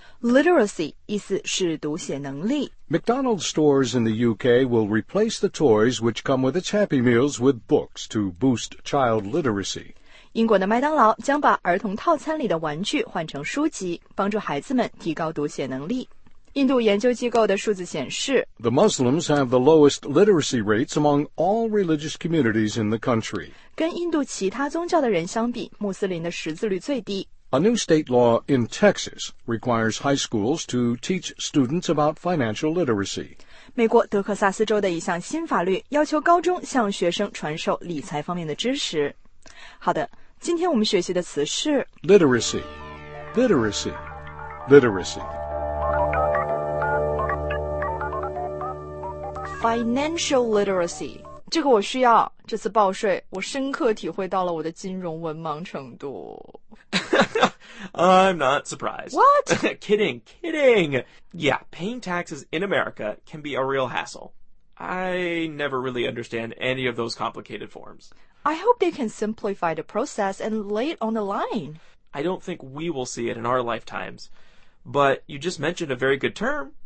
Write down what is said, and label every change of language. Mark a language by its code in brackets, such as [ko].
[zh] Literacy 意思是读写能力。 [en] McDonald's stores in the UK will replace the toys which come with its Happy Meals with books to boost child literacy. [zh] 英国的麦当劳将把儿童套餐里的玩具换成书籍，帮助孩子们提高读写能力。印度研究机构的数字显示 [en] The Muslims have the lowest literacy rates among all religious communities in the country. [zh] 跟印度其他宗教的人相比，穆斯林的识字率最低。 [en] A new state law in Texas requires high schools to teach students about financial literacy. [zh] 美国德克萨斯州的一项新法律要求高中向学生传授理财方面的知识。好的，今天我们学习的词是 [en] Literacy, literacy, literacy. Financial literacy, [zh] 这个我需要，这次报税，我深刻体会到了我的金融文盲程度。 [en] I'm not surprised. What? Kidding, kidding. Yeah, paying taxes in America can be a real hassle. I never really understand any of those complicated forms. I hope they can simplify the process and lay it on the line. I don't think we will see it in our lifetimes, but you just mentioned a very good term.